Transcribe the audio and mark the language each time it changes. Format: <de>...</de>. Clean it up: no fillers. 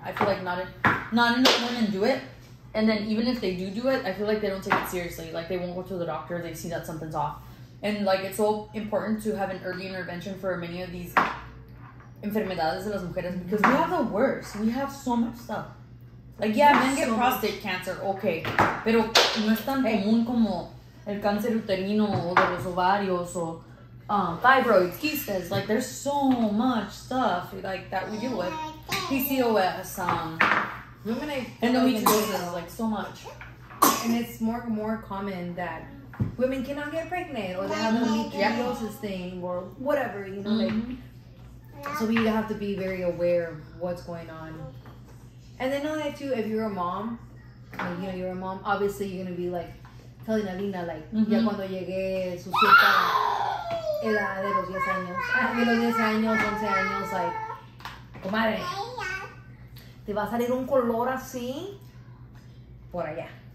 <en>I feel like not enough women do it. And then even if they do it, I feel like they don't take it seriously. Like, they won't go to the doctor. They see that something's off. And, like, it's so important to have an early intervention for many of these</en> <es>enfermedades de las mujeres</es> <en>because we have the worst. We have so much stuff. Like, yeah, men get so prostate much. Cancer, okay.</en> <es>Pero no es tan común como el cáncer uterino o de los ovarios o fibroids, quistes.</es> <en>Like, there's so much stuff, like, that we deal with. PCOS. Endometriosis, like, so much. And it's more common that women cannot get pregnant or they have an endometriosis thing or whatever, you know. Mm-hmm. Like, so we have to be very aware of what's going on. And then another too, if you're a mom, like, you know, you're a mom, obviously you're going to be, like, telling Alina, like, mm-hmm.</en> <es>ya cuando llegué su cierta edad de los 10 años, de los 10 años, 11 años, like, comadre, te va a salir un color así por allá.</es>